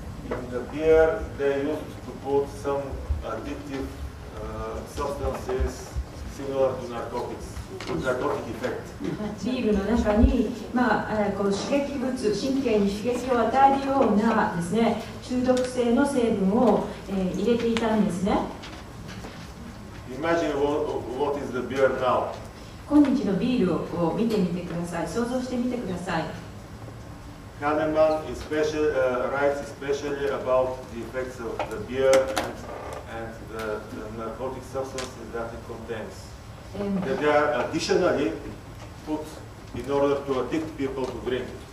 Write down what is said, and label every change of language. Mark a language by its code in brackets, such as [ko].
[en] in the beer they used to put some addictive substances similar to narcotics, narcotic effect. [ja] ビールの中に、まあ、この刺激物、神経に刺激を与えるようなですね、中毒性の成分を、入れていたんですね。 [en] Imagine what is the beer now. [ja] 今日のビールを見てみてください。想像してみてください。 [en] Kahneman especially, writes especially about the effects of the beer and the narcotic substances that it contains. That they are additionally put in order to addict people to drink.